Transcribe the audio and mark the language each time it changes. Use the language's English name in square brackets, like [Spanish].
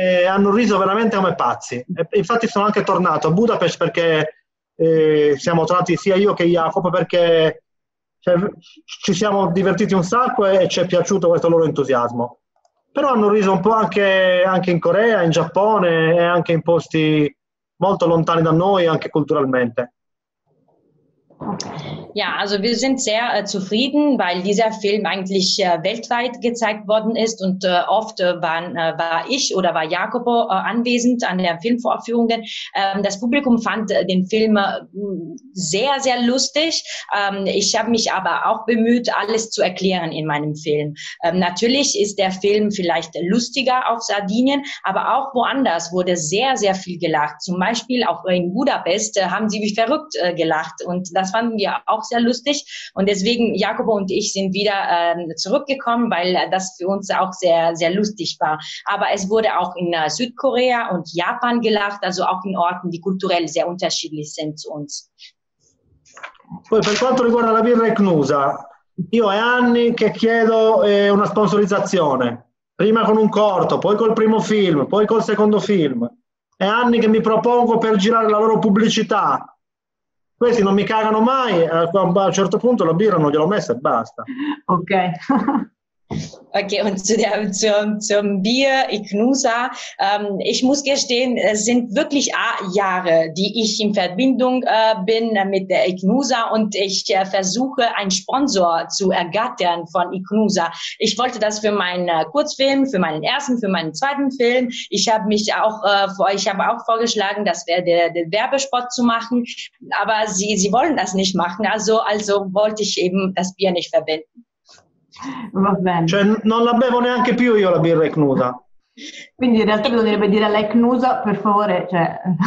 [Italian] Hanno riso veramente come pazzi. Infatti sono anche tornato a Budapest perché siamo tornati sia io che Jacopo, perché Cioè, ci siamo divertiti un sacco e ci è piaciuto questo loro entusiasmo. Però hanno riso un po' anche in Corea, in Giappone e anche in posti molto lontani da noi, anche culturalmente. [German] Ja, also wir sind sehr zufrieden, weil dieser Film eigentlich weltweit gezeigt worden ist und oft war ich oder war Jacopo anwesend an der Filmvorführung. Das Publikum fand den Film sehr, sehr lustig. Ich habe mich aber auch bemüht, alles zu erklären in meinem Film. Natürlich ist der Film vielleicht lustiger auf Sardinien, aber auch woanders wurde sehr, sehr viel gelacht. Zum Beispiel auch in Budapest haben sie mich verrückt gelacht und das fanden wir auch sehr lustig und deswegen Jakob und ich sind wieder zurückgekommen, weil das für uns auch sehr, sehr lustig war. Aber es wurde auch in Südkorea und Japan gelacht, also auch in Orten, die kulturell sehr unterschiedlich sind zu uns. [Italian] Poi per quanto riguarda la birra Ecnusa, io è anni che chiedo una sponsorizzazione, prima con un corto, poi col primo film, poi col secondo film. È anni che mi propongo per girare la loro pubblicità. Questi non mi cagano mai, a un certo punto la birra non gliel'ho messa e basta. Ok. [German] Okay, und zum Bier Ecnusa. Ich muss gestehen, es sind wirklich Jahre, die ich in Verbindung bin mit der Ecnusa und ich versuche, einen Sponsor zu ergattern von Ecnusa. Ich wollte das für meinen Kurzfilm, für meinen ersten, für meinen zweiten Film. Ich habe auch vorgeschlagen, das wäre der Werbespot zu machen, aber sie wollen das nicht machen, also wollte ich eben das Bier nicht verwenden. [Italian] Va bene. Cioè, non la bevo neanche più io la birra Ecnusa. Quindi in realtà bisognerebbe dire alla Ecnusa, per favore, cioè,